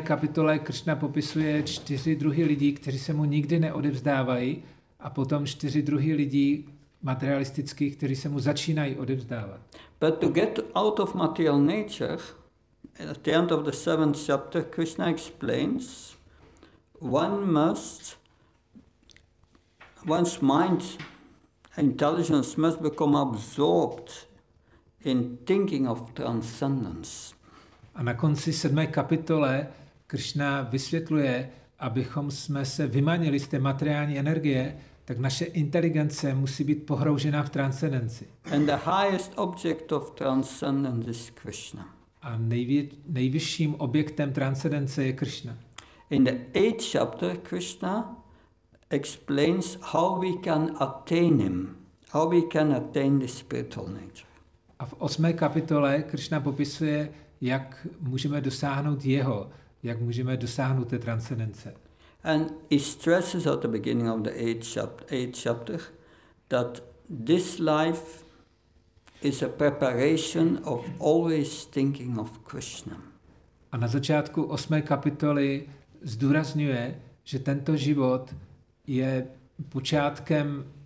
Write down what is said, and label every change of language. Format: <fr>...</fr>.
<cs>kapitole Krishna popisuje čtyři druhy lidí, kteří se mu nikdy neodevzdávají a potom čtyři druhy lidí materialistických, kteří se mu začínají odevzdávat.</cs> <en>But to get out of material nature, at the end of the seventh chapter, Krishna explains one's mind, intelligence must become absorbed in thinking of transcendence.</en> <cs>A na konci 7. kapitole Krishna vysvětluje, abychom jsme se vymanili z té materiální energie, tak naše inteligence musí být pohroužena v transcendenci.</cs> <en>And the highest object of transcendence is Krishna.</en> <cs>A nejvyšším objektem transcendence je Krishna.</cs> <en>In the eighth chapter, Krishna explains how we can attain him, how we can attain the spiritual nature.</en> <cs>A v 8. kapitole Krishna popisuje, jak můžeme dosáhnout jeho, jak můžeme dosáhnout té transcendence.</cs> <en>And he stresses at the beginning of the eighth chapter that this life is a preparation of always thinking of Krishna.</en> <cs>A na začátku 8. kapitoly zdůrazňuje, že tento život je počátkem</cs>